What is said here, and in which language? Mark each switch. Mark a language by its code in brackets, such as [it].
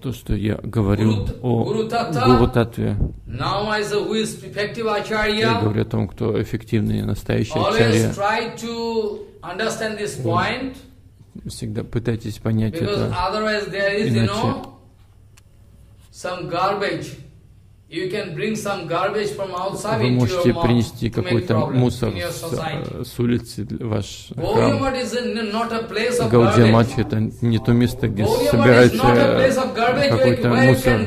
[ru] то, что я говорю Гуру Таттве, я говорю о том, кто эффективный, настоящий ачарья, [en] always try to understand this point, [ru] всегда пытайтесь понять это. [en] Иначе... Some garbage. You can bring some garbage from outside into your [ru] Вы можете принести какой-то мусор с улицы в ваш храм. Гаудия-матх – это не то место, где собираете какой-то мусор.